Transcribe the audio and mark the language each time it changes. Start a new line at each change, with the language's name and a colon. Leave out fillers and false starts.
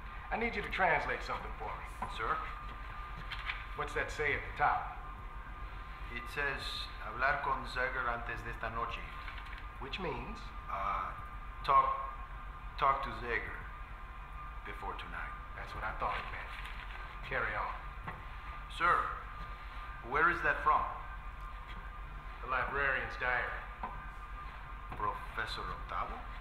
English: I need you to translate something for me, sir. What's that say at the top? It says
Spanish: hablar con Zager antes de esta noche,
English: which means talk to Zager before tonight. That's what I thought it meant. Carry on, sir. Where is that from? The librarian's diary. Professor Octavo.